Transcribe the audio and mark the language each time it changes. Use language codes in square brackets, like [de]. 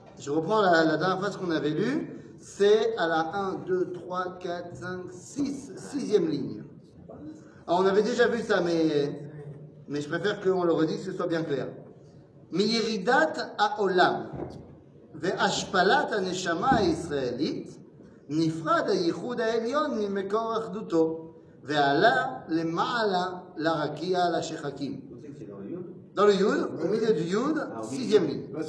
[fr] Je reprends la dernière phrase qu'on avait lue. C'est à la 1, 2, 3, 4, 5, 6, 6e ligne. Alors, on avait déjà vu ça, mais je préfère qu'on le redise, que ce soit bien clair. [he] מירידת העולם והשפלת הנשמה הישראלית נפרד הייחוד העליון ממקור אחדותו ועלה למעלה לרקיע לשחקים. [fr] Dans le Yud, au milieu du Yud, sixième ligne.